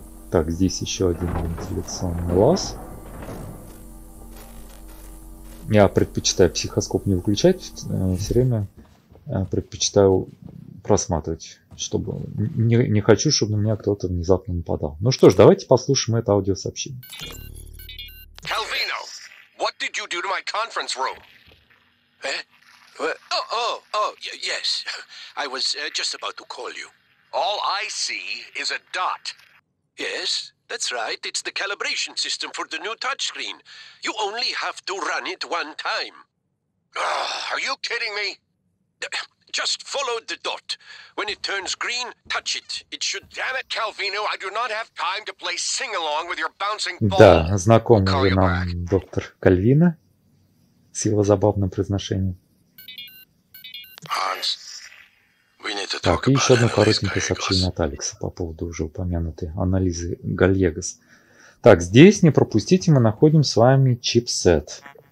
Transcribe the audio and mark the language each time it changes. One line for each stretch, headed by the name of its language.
Russian: Так, здесь еще один вентиляционный лаз. Я предпочитаю психоскоп не выключать. Все время предпочитаю просматривать. Чтобы не хочу, чтобы на меня кто-то внезапно нападал. Ну что ж, давайте послушаем это аудиосообщение.
English: Calvino, what did you do to my conference room? Yes. I was just about to call you. All I see is a dot. Yes, that's right. It's the calibration system for the new touchscreen. You only have to run it one time. Are you kidding me? Just follow the dot. When it turns green, touch it. It should... Damn it, Calvino, I do not have time to play sing-along with your bouncing ball.
Russian: Да, знаком ли нам доктор Кальвина с его забавным произношением?
English: Hans, we need to talk
Russian: так, и еще одно коротенькое сообщение от Алекса по поводу уже упомянутой анализы Гальегос. Так, здесь, не пропустите, мы находим с вами чипсет.